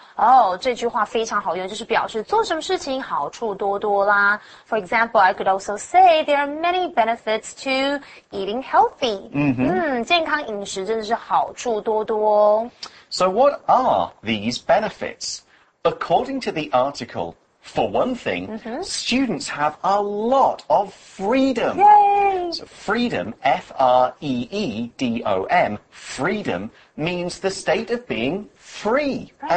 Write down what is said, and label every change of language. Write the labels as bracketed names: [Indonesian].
[Chinese] 哦，这句话非常好用，就是表示做什么事情好处多多啦。 [English] For example, I could also say there are many benefits to eating healthy。 [Chinese] 健康饮食真的是好处多多哦。 [English] So what are these benefits? According to the article. For one thing,、students have a lot of freedom. Yay! So freedom, F-R-E-E-D-O-M, freedom means the state of being free、right.